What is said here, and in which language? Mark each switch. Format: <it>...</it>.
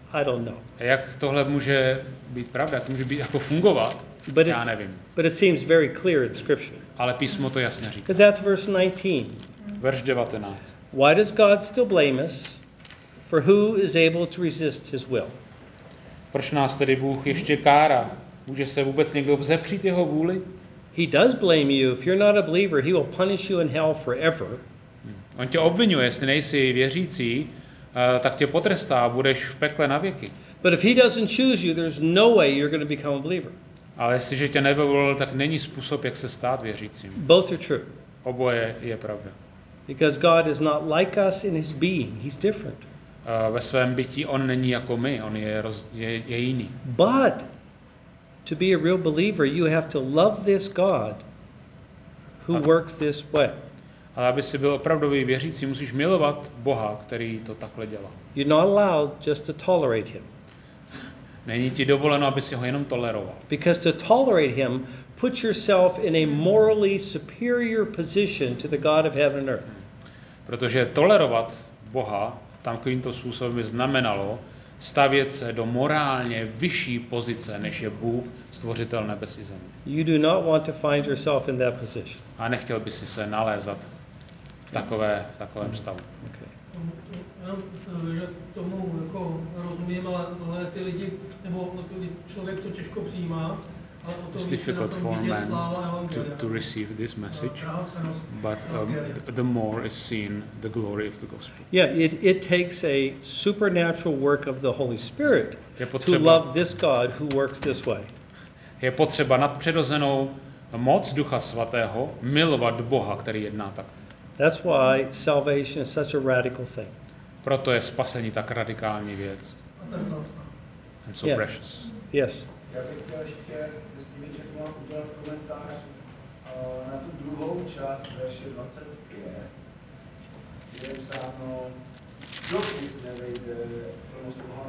<en>I don't know.</en> <cs>A jak tohle může být pravda? To může být jako fungovat?</cs> <en>But</en> <cs>já nevím.</cs> <en>But it seems very clear in scripture.</en> <cs>Ale písmo to jasně říká.</cs> <en>Because that's verse 19.</en> <cs>Verš 19.</cs> <en>Why does God still blame us? For who is able to resist his will?</en> <cs>Proč nás tedy Bůh ještě kárá? Může se vůbec někdo vzepřít jeho vůli?</cs> <en>He does blame you. If you're not a believer, he will punish you in hell forever.</en> <cs>On tě obvinuje, jestli nejsi věřící, tak tě potrestá, budeš v pekle na věky.</cs> <en>But if he doesn't choose you, there's no way you're going to become a believer.</en> <cs>Ale jestliže tě nevyvolil, tak není způsob, jak se stát věřícím.</cs> <en>Both are true.</en> <cs>Oboje je pravda.</cs> <en>Because God is not like us in his being, he's different.</en> <cs>Ve svém bytí on není jako my, on je jiný.</cs> <en>But to be a real believer, you have to love this God who works this way.</en> <cs>A aby si byl opravdový věřící, musíš milovat Boha, který to takhle dělá.</cs> <en>You're not allowed just to tolerate him.</en> <cs>Není ti dovoleno, aby si ho jenom toleroval.</cs> <en>Because to tolerate him put yourself in a morally superior position to the God of heaven and earth.</en> <cs>Protože tolerovat Boha takovýmto způsobem znamenalo stavět se do morálně vyšší pozice, než je Bůh, stvořitel nebes i země.</cs> <en>You do not want to find yourself in that position.</en> <cs>A nechtěl bys se nalézat v takovém stavu.</cs> <en>Okay.</en> <cs>Jenom, že tomu jako rozumím, ale ty lidi, nebo člověk to těžko přijímá.</cs> <en>It's difficult for men to receive this message, but the more is seen the glory of the gospel. Yeah, it takes a supernatural work of the Holy Spirit to love this God who works this way.</en> <cs>Je potřeba nadpřirozenou moc Ducha Svatého milovat Boha, který jedná takto.</cs> <en>That's why salvation is such a radical thing.</en> <cs>Proto je spasení tak radikální věc.</cs> <en>And so precious. Yes.</en> <cs>Já bych chtěl ještě, jestli mi řeknu, udělat komentář na tu druhou část verše 25, kde je psáno, dokud nevejde plnost Boha.</cs>